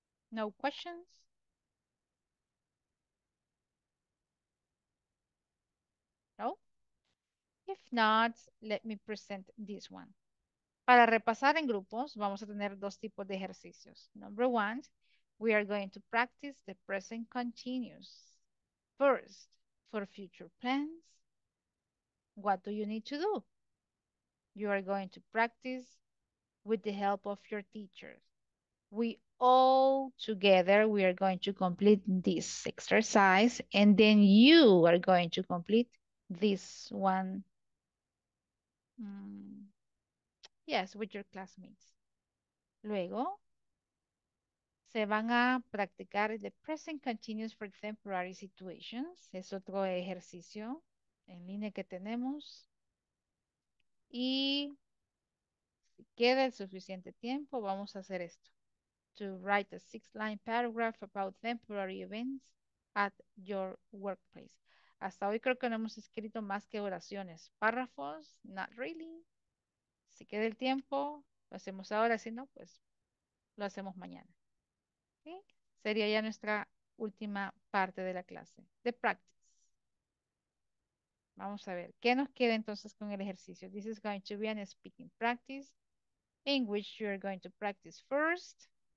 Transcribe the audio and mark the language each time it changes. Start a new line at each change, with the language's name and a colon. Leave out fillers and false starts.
English: No questions. No. If not, let me present this one.
Spanish: Para repasar en grupos, vamos a tener dos tipos de ejercicios.
English: Number one, we are going to practice the present continuous. First, for future plans, what do you need to do? You are going to practice with the help of your teachers. We all together, we are going to complete this exercise, and then you are going to complete this one. Yes, with your classmates.
Spanish: Luego, se van a practicar
English: the present continuous for temporary situations.
Spanish: Es otro ejercicio en línea que tenemos. Y si queda el suficiente tiempo, vamos a hacer esto.
English: To write a 6-line paragraph about temporary events at your workplace.
Spanish: Hasta hoy creo que no hemos escrito más que oraciones. Párrafos,
English: not really.
Spanish: Si queda el tiempo, lo hacemos ahora. Si no, pues lo hacemos mañana. ¿Sí? Sería ya nuestra última parte de la clase.
English: The practice.
Spanish: Vamos a ver. ¿Qué nos queda entonces con el ejercicio?
English: This is going to be a speaking practice in which you are going to practice first.